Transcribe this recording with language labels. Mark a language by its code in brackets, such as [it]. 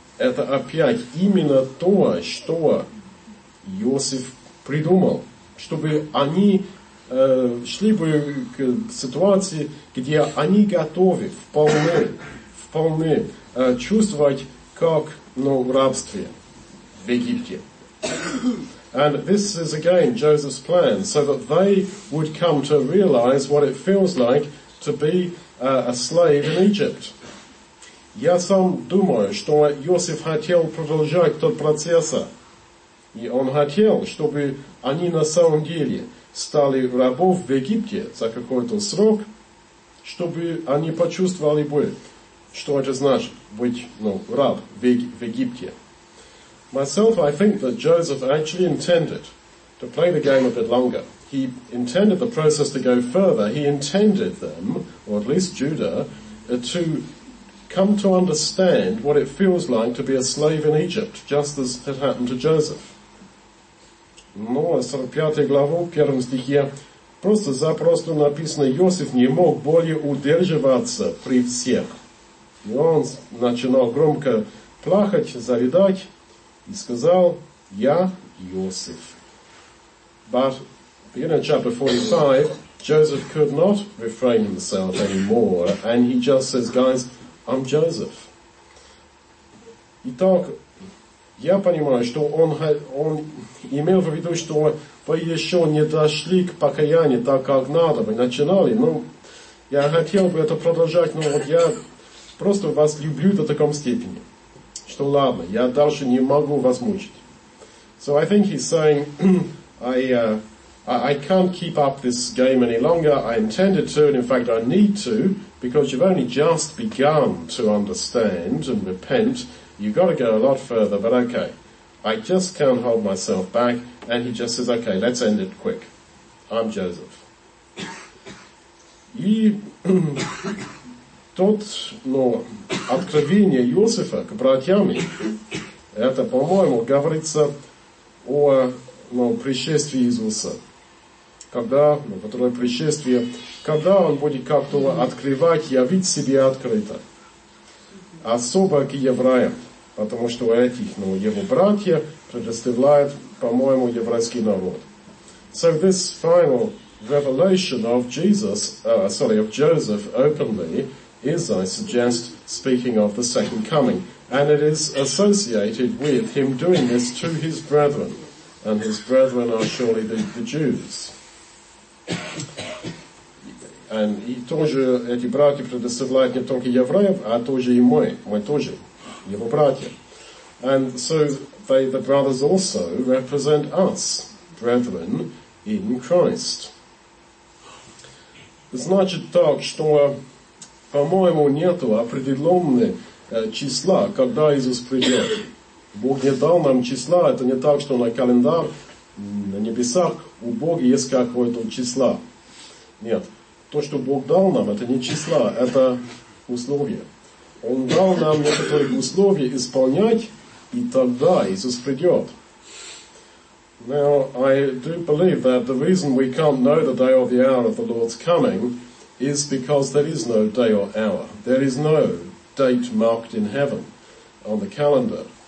[ru] Это опять именно то, что Иосиф придумал, чтобы они шли бы к ситуации, где они готовы вполне чувствовать, как, ну, в рабстве в Египте. [en] And this is again Joseph's plan, so that they would come to realize what it feels like to be a slave in Egypt. [ru] Я сам думаю, что Иосиф хотел продолжать тот процесс, и он хотел, чтобы они на самом деле стали рабов в Египте за какой-то срок, чтобы они почувствовали бы, что это значит быть, ну, раб в Египте. [en] Myself, I think that Joseph actually intended to play the game a bit longer. He intended the process to go further. He intended them, or at least Judah, to come to understand what it feels like to be a slave in Egypt, just as had happened to Joseph. [ru] Но 45 главу, 1 стихе, просто-запросто написано, Иосиф не мог более удерживаться при всех. И он начинал громко плакать, зарыдать, и сказал: «Я Иосиф». [en] But beginning in chapter 45, Joseph could not refrain himself anymore, and he just says, "Guys, I'm Joseph." [ru] Итак, я понимаю, что он имел в виду, что вы еще не дошли к покаянию так, как надо, вы начинали. Ну, я хотел бы это продолжать, но вот я просто вас люблю до такой степени, что ладно, я дальше не могу вас мучить. [en] So I think he's saying, I can't keep up this game any longer. I intended to, and in fact I need to, because you've only just begun to understand and repent. You've got to go a lot further, but okay. I just can't hold myself back. And he just says, okay, let's end it quick. I'm Joseph. [ru] И тот, ну, откровение Иосифа к братьям, это, по-моему, говорится о, ну, пришествии Иисуса. Когда, ну, которое пришествие, когда он будет как-то открывать, явить себя открыто. Особо к евреям. Потому что у этих, ну, его братья предоставляют, по-моему, еврейский народ. [en] So this final revelation of Jesus, of Joseph openly, is, I suggest, speaking of the second coming. And it is associated with him doing this to his brethren. And his brethren are surely the Jews. [ru] And и тоже эти братья предоставляют не только евреев, а тоже и мы тоже. Его братья. [en] And so they, the brothers also represent us, brethren, in Christ. [ru] Значит так, что, по-моему, нету определенного числа, когда Иисус придет. Бог не дал нам числа, это не так, что на календарь на небесах у Бога есть какое-то число. Нет. То, что Бог дал нам, это не числа, это условия. Он дал нам некоторые условия исполнять, и тогда Иисус придет. [en] Now, I do believe that the reason we can't know the day or the hour of the Lord's coming is because there is no day or hour. There is no date marked in heaven on the calendar.